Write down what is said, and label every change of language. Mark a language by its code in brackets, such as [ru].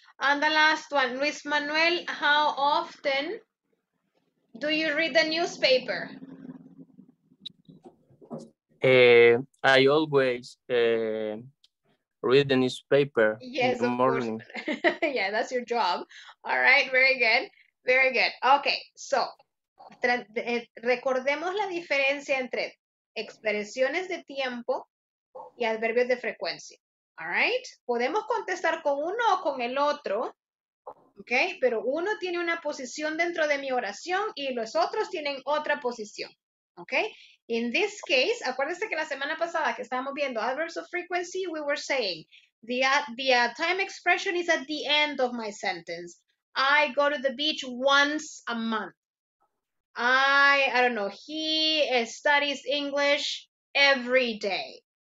[en] And the last one, Luis Manuel, how often do you read the newspaper? I always read the newspaper, yes, in the morning. Yeah, that's your job. All right, very good, very good. [es] Okay, so recordemos la diferencia entre expresiones de tiempo y adverbios de frecuencia. [en] All right, [es] podemos contestar con uno o con el otro, okay, pero uno tiene una posición dentro de mi oración y los otros tienen otra posición. [en] Okay, in this case, [es] acuérdense que la semana pasada que estábamos viendo [en] adverbs of frequency, we were saying the time expression is at the end of my sentence. I go to the beach once a month. I don't know, he studies English every day.